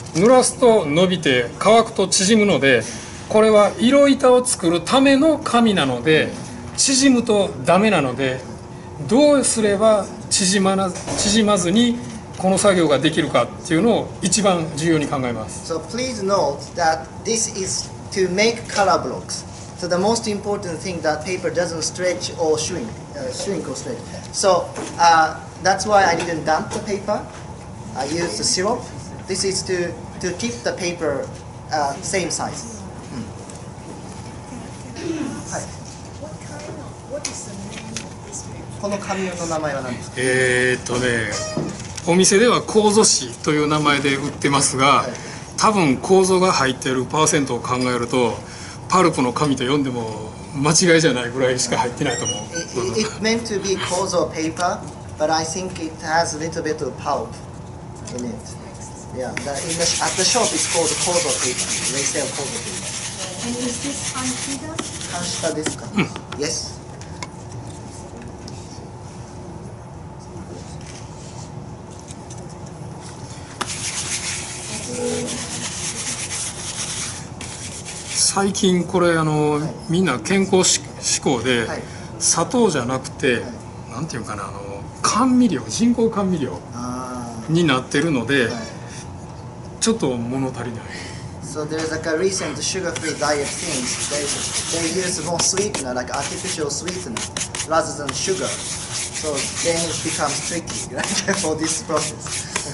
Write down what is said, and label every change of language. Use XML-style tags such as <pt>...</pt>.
<ja>濡らすと伸びて乾くと縮むので、これは色板を作るための紙なので、縮むとダメなので、どうすれば縮まずにこの作業ができるかっていうのを一番重要に考えます。</ja> <en>So please note that this is to make color blocks. So the most important thing that paper doesn't stretch or shrink or stretch. So, that's why I didn't dump the paper. I used the syrup. This is to keep the paper same size.、Mm. What is the name of this paper?</en> <ja>この紙の名前は何ですか？お店では楮紙という名前で売ってますが、多分楮が入っているパーセントを考えるとパルプの紙と呼んでも間違いじゃないぐらいしか入ってないと思う。</ja> <en>It meant to be 楮 paper. But I think it has a little bit of pulp in it. Yeah, at the shop it's called the Kozo paper. They sell Kozo paper. And is this Kanshita?</en> <ja>Kanshita desu ka?</ja> <en>Yes.</en> <ja>最近これみんな健康志向で、砂糖じゃなくて、なんていうかな、甘味料、人工甘味料になってるので、ちょっと物足りない。</ja> <en>So there's like a recent sugar-free diet thing. They use more sweetener, like artificial sweetener, rather than sugar. So then it becomes tricky, right, for this process.</en>